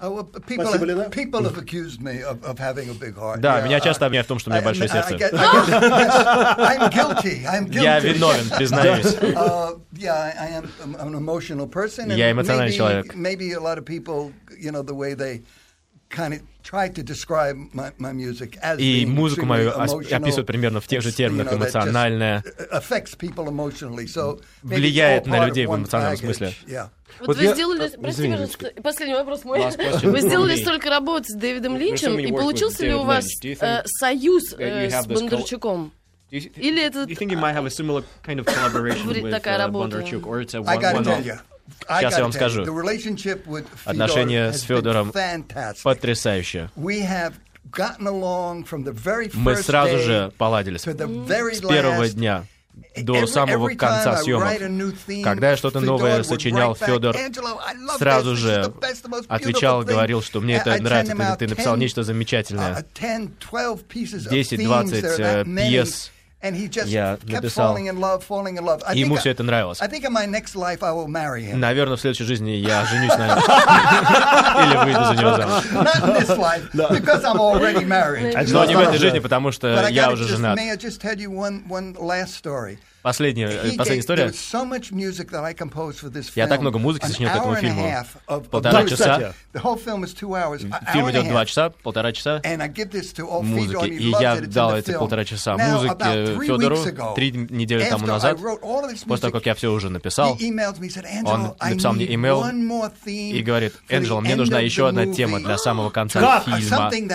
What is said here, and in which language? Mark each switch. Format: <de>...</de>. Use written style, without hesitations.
<en>People have accused me of having a big heart.</en> <ru>Да, меня часто обвиняют в том, что у меня большое сердце.</ru> <en>I'm guilty.</en> <ru>Я виновен, признаюсь.</ru> <en>I'm an emotional person.</en> <ru>Я эмоциональный человек.</ru> <en>Maybe a lot of people, you know, the way they kind of try to describe my music as</en> <ru>и музыку мою описывают примерно в тех же терминах, эмоциональная,</ru> <en>affects people emotionally, so</en> <ru>влияет на людей в эмоциональном смысле. Вот вы сделали, простите, последний вопрос мой. Вы сделали столько работ с Дэвидом Линчем, и получился ли у вас союз с Бондарчуком? Или это такая работа? Сейчас я вам скажу. Отношения с Федором потрясающие. Мы сразу же поладились с первого дня до самого конца съемок. Когда я что-то новое сочинял, Федор сразу же отвечал, говорил, что мне это нравится, ты написал нечто замечательное. 10-20 пьес.</ru> <en>And he just kept falling in love.</en> <ru>Ему все это нравилось.</ru> <en>I think in my next life I will marry him.</en> <ru>Наверное, в следующей жизни я женюсь на нем. Или выйду за него замуж.</ru> <en>Not in this life, because I'm already married.</en> <ru>Но не в этой жизни, потому что я уже женат.</ru> <en>May I just tell you one last story?</en> <ru>Последняя история.</ru> <en>So much music that I composed for this film.</en> <ru>Я так много музыки сочинил к этому фильму. Полтора часа.</ru> <en>The whole film is 2 hours.</en> <ru>Фильм идет 2 часа, полтора часа.</ru> <en>And I give this to all Федору.</en> <ru>И я дал эти полтора часа музыки Федору 3 недели тому назад. После того, как я все уже написал, он написал мне email и говорит: Энджело, мне нужна еще одна тема для самого конца фильма.</ru>